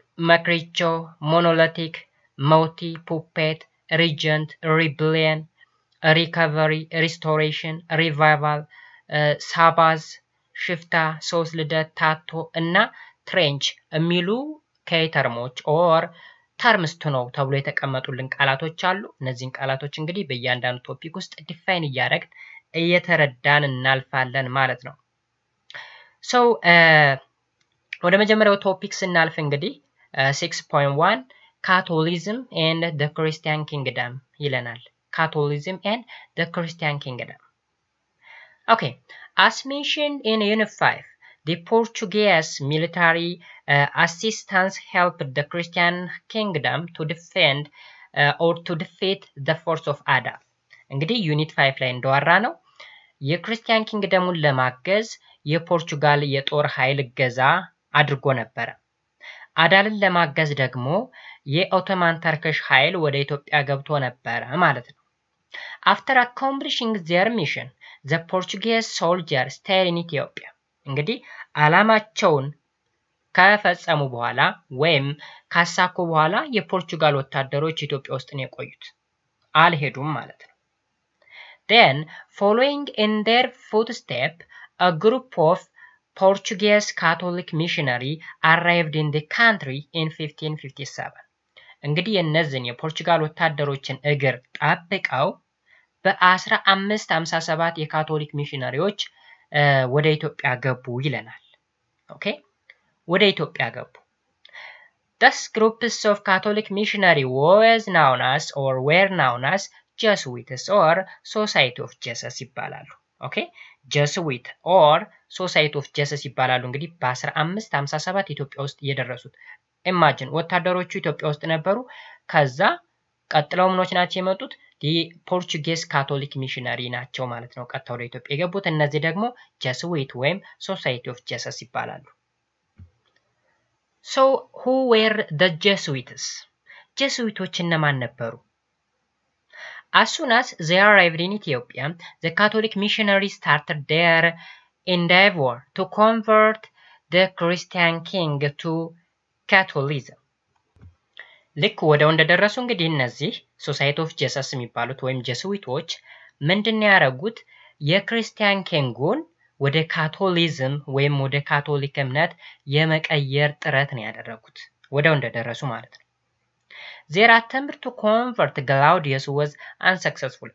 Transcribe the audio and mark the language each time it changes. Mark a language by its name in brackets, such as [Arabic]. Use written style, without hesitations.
[Amharic] መክሪቾ ሞኖሊቲክ ሞቲ ፑፔት ሪጀንት ሪብሊየን ሪካቨሪ ሪስቶሬሽን ሪቫይቫል ሳባዝ ሽፍታ ሶስ ልደት ታቶ እና ትሬንች የሚሉ ከተርሞች ኦር ተርምስቱ ነው ተብሎ የተቀመጡልን ቃላቶች አሉ እነዚህን ቃላቶች እንግዲህ በእያንዳንዱ ቶፒክ ውስጥ ዲፋይን ያደረግን እየተረዳን እናልፋለን ማለት ነው So, ወደ መጀመሪያው ቶፒክ ስናልፍ እንግዲህ 6.1 [English] Catholicism and the Christian Kingdom [Amharic] ይለናል. [English] Catholicism and the Christian Kingdom. Okay, as mentioned in Unit 5, the Portuguese military assistance helped the Christian Kingdom to defend or to defeat the force of Ada. [Amharic] እንግዲህ ዩኒት 5 ላይ እንደዋራ ነው የክርስቲያን ኪንግደሙን ለማገዝ የፖርቹጋል የጦር ኃይል ገዛ አድርጎ ነበር። አዳልን ለማገዝ ደግሞ የኦቶማን ተርክሽ ኃይል ወደ ኢትዮጵያ ገብቶ ነበር ማለት ነው። [English] After accomplishing their mission, the Portuguese soldiers stayed in Ethiopia. [Amharic] እንግዲህ አላማቸውን ከፈጸሙ በኋላ ወይም ካሳኩ በኋላ የፖርቹጋል ወታደሮች ኢትዮጵያ ውስጥ ነው የቆዩት። አልሄዱም ማለት ነው። [English] Then, following in their footsteps, a group of Portuguese Catholic missionary arrived in the country in 1557. [Amharic] እንግዲህ እነዚህ የፖርቹጋል ወታደሮችን እግር ጠብቀው በ1557 የካቶሊክ ሚሽነሪዎች ወደ ኢትዮጵያ ገቡ ይለናል። ኦኬ? ወደ ኢትዮጵያ ገቡ። [English] This group of Catholic missionary was known as or were known as Jesuits or Society of Jesus [Amharic] ይባላሉ። ኦኬ? Jesuit or Society of Jesus ይባላሉ። እንግዲህ በ1557 ኢትዮጵያ ውስጥ የደረሱት ኢማጂን ወታደሮቹ ኢትዮጵያ ውስጥ ነበሩ ከዛ ቀጥለው ምኖች ናቸው የመጡት ዲ ፖርቹጌስ ካቶሊክ ሚሽነሪ ናቸው ማለት ነው ቀጥተው ለኢትዮጵያ የገቡት እነዚህ ደግሞ Jesuit ወይም Society of Jesus ይባላሉ [English] So who were the Jesuits? [Amharic] Jesuitዎች እነማን ነበሩ? [English] As soon as they arrived in Ethiopia, the Catholic missionaries started their endeavor to convert the Christian king to Catholicism. [Amharic] ልክ ወደ እንደደረሱ እንግዲህ እነዚህ Society of Jesus የሚባሉት ወይም ጀስዊቶች ምንድነው ያረጉት የክርስቲያን ኪንጉን ወደ ካቶሊዝም ወይም ወደ ካቶሊክ እምነት የመቀየር ጥረት ነው ያደረጉት ወደ እንደደረሱ ማለት ነው [English] Their attempt to convert Claudius was unsuccessful.